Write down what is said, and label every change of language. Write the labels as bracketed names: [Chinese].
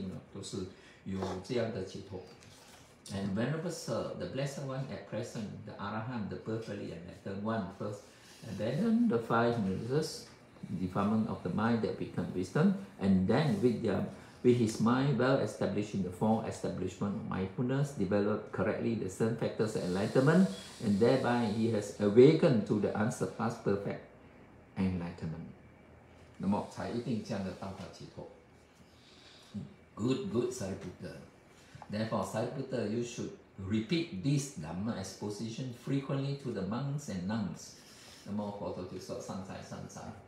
[Chinese] 他说一个佛陀呢，一定这些东西是除掉的。所以呢，从前的佛也是一样，现在的佛也是一样，未来的佛也是一样，一定呢都是有这样的解脱。 [English] And whenever sir, the blessed one at present, the Arahant, the perfectly enlightened one first, and then the five hindrances, defilement of the mind that become wisdom, and then with his mind well established in the four establishment of mindfulness, developed correctly the seven factors of enlightenment, and thereby he has awakened to the unsurpassed perfect enlightenment. [Chinese] 那么才一定这样的道法解脱. [English] Good, Sariputta. Therefore, Sariputta, you should repeat this Dhamma exposition frequently to the monks and nuns. [Chinese] 那么佛陀就说善哉善哉.